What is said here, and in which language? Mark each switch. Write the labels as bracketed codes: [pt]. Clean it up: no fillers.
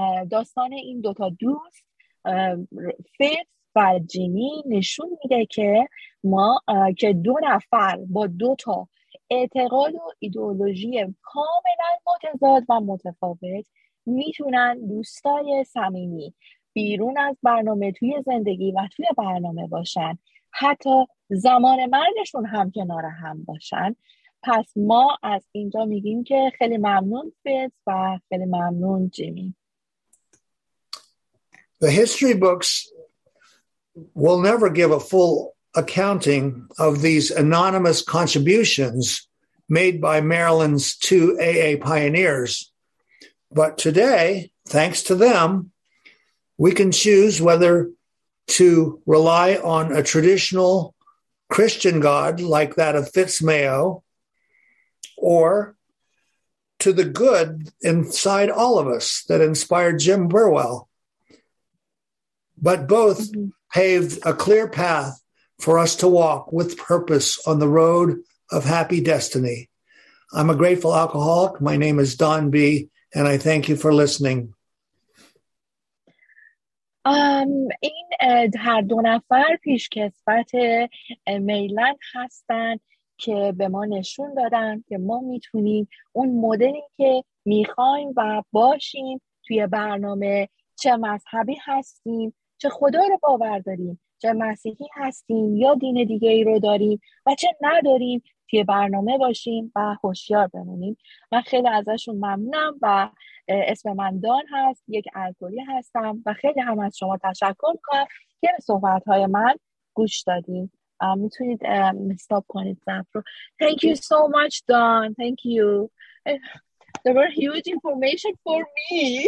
[fa] داستان این دوتا دوست فیتز و جیمی نشون میده که ما که دو نفر با دوتا اعتقاد و ایدئولوژی کاملا متضاد و متفاوت میتونن دوستای صمیمی بیرون از برنامه توی زندگی و توی برنامه باشن، حتی زمان مرگشون هم کنار هم باشن. پس ما از اینجا میگیم که خیلی ممنون فیتز و خیلی ممنون جیمی. [en] The history books will never give a full accounting of these anonymous contributions made by Maryland's two AA pioneers. But today, thanks to them, we can choose whether to rely on a traditional Christian God like that of Fitz Mayo, or to the good inside all of us that inspired Jim Burwell. But both paved a clear path for us to walk with purpose on the road of happy destiny. I'm a grateful alcoholic. My name is Don B., and I thank you for listening. [fa] این هر دو نفر پیشکسوت میلان هستن که به ما نشون دادن که ما میتونیم اون مدلی که میخوایم و باشیم توی برنامه، چه مذهبی هستیم، چه خدا رو باور داریم، چه مسیحی هستیم یا دین دیگه ای رو داریم و چه نداریم، توی برنامه باشیم و هوشیار بمونیم. من خیلی ازشون ممنونم و اسم من دان هست، یک الگوری هستم و خیلی هم از شما تشکر کنم که به صحبت‌های من گوش دادیم. میتونید استاپ کنید زفر رو. [en] Thank you so much, Don. Thank you. There were huge information for me.